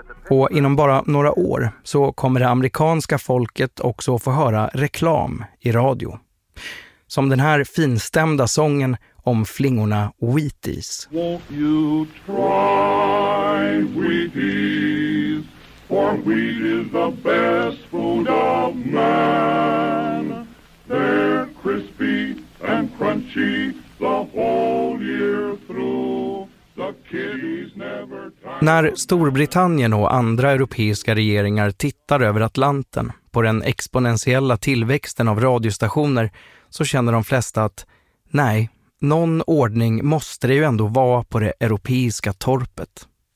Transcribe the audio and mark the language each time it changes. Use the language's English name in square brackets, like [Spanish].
[Swedish] Och inom bara några år så kommer det amerikanska folket också få höra reklam i radio. Som den här finstämda sången om flingorna Wheaties. [English] Won't you try Wheaties? For wheat is the best food of man. They're crispy and crunchy the whole year through. [Swedish] När Storbritannien och andra europeiska regeringar tittar över Atlanten på den exponentiella tillväxten av radiostationer så känner de flesta att nej, någon ordning måste det ju ändå vara på det europeiska torpet.